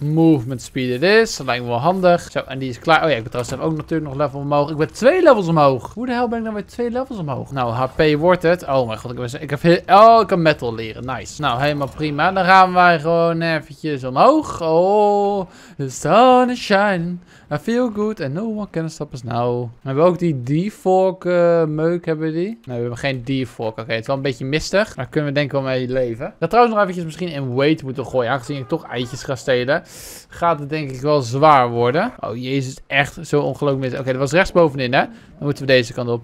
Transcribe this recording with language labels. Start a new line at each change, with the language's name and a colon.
English: Movement speed it is.
Dutch: Dat lijkt me wel handig. Zo, en die is klaar. Oh ja, ik ben trouwens ook natuurlijk nog level omhoog. Ik ben 2 levels omhoog. Hoe de hel ben ik dan weer 2 levels omhoog? Nou, HP wordt het. Oh mijn god, ik kan metal leren. Nice. Nou, helemaal prima. Prima, dan gaan wij gewoon eventjes omhoog.
English: Oh, the sun is shining. I feel good and no one can stop us now.
Dutch: Hebben we ook die defog meuk, hebben we die? Nee, we hebben geen defog. Oké, het is wel een beetje mistig. Daar kunnen we denk ik wel mee leven. Dat trouwens nog eventjes misschien in weight moeten gooien. Aangezien ik toch eitjes ga stelen, gaat het denk ik wel zwaar worden. Oh, jezus, echt zo ongelooflijk mis. Oké, dat was rechtsbovenin, hè? Dan moeten we deze kant op.